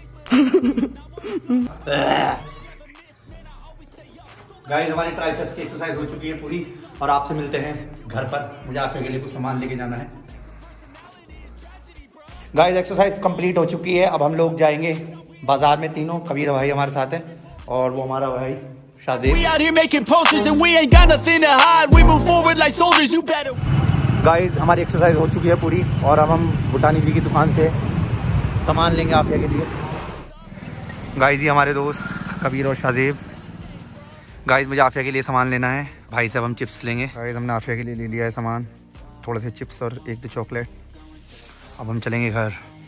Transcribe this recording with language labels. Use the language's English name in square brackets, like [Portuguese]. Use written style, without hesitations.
[Hindi] Guys हमारी triceps की exercise हो चुकी है पूरी और आपसे मिलते हैं घर पर. मुझे आपके लिए कुछ सामान लेके जाना है. गाइस एक्सरसाइज कंप्लीट हो चुकी है, अब हम लोग जाएंगे बाजार में. तीनों कबीर भाई हमारे साथ हैं और वो हमारा भाई शादी. [English] We out here making posters and we ain't got nothing to hide. We move forward like soldiers, you better. [Hindi] Guys हमारी एक्सरसाइज हो चुकी है पूरी और अब हम भुटानी जी की दुकान से सामान लेंगे आप के लिए. गाइस ये हमारे दोस्त कबीर और शाहदेव. गाइस मुझे आफिया के लिए सामान लेना है भाई से. अब हम चिप्स लेंगे. गाइस हमने आफिया के लिए ले लिया है सामान, थोड़े से चिप्स और एक दो चॉकलेट. अब हम चलेंगे घर.